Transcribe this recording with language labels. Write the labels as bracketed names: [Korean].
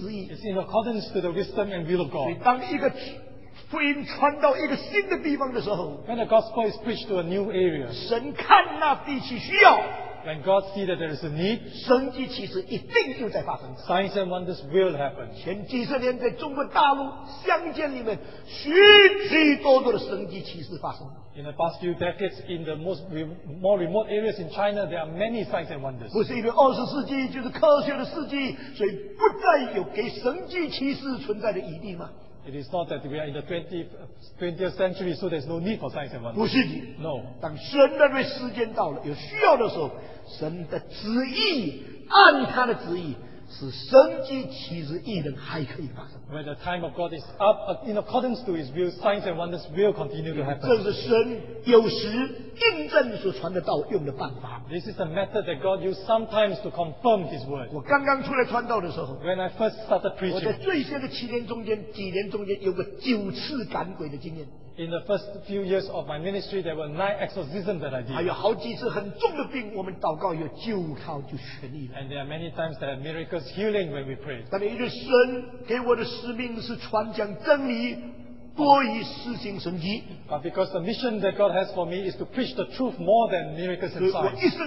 [English] It's in accordance to the wisdom and will of God. When the gospel is preached to a new area, when God sees that there is a need, signs and wonders will happen. In the past few decades, in the more remote areas in China, there are many signs and wonders. [Chinese] 不是因为20世纪就是科学的世纪, 所以不再有给神迹奇事存在的余地吗? [English] It is not that we are in the 20th century, so there is no need for signs and wonders. [Chinese] 不是的, [English] no. [Chinese] 当神认为时间到了, 有需要的时候, 神的旨意, 按他的旨意, 使神迹奇事异能还可以发生。 [English] When the time of God is up, in accordance to his will, signs and wonders will continue to happen. [Chinese] 这是神有时印证所传的道用的办法。 [English] This is the method that God used sometimes to confirm his word. [Chinese] 我刚刚出来传道的时候, [English] when I first started preaching, [Chinese] 我在最先的七年中间,几年中间有个九次赶鬼的经验。 [English] In the first few years of my ministry, there were 9 exorcisms that I did. [Chinese] 还有好几次很重的病, 我们祷告有救靠就痊愈了。 [English] And there are many times that have miracles healing when we pray. [Chinese] 但是神给我的使命是传讲真理, 多于施行神迹。 [English] But because the mission that God has for me is to preach the truth more than miracles and signs.